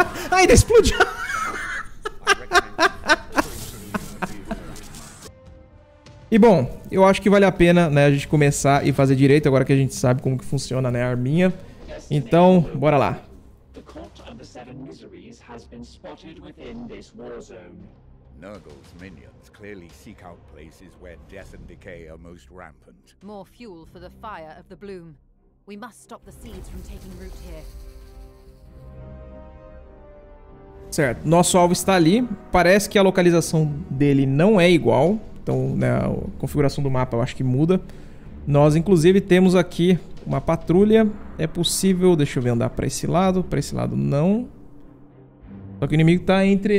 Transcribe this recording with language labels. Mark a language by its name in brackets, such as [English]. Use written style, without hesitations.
[Portuguese] Ainda explodiu! E bom, eu acho que vale a pena, né, a gente começar e fazer direito, agora que a gente sabe como que funciona, né, a arminha. Então, bora lá. O Corte dos 7 Miseries [English] has been spotted within this war zone. Nurgle's minions clearly seek out places where death and decay are most rampant. More fuel for the fire of the bloom. We must stop the seeds from taking root here. [Portuguese] Certo, nosso alvo está ali. Parece que a localização dele não é igual. Então, né, a configuração do mapa eu acho que muda. Nós, inclusive, temos aqui uma patrulha. É possível... Deixa eu ver, andar para esse lado. Para esse lado, não. Só que o inimigo está entre...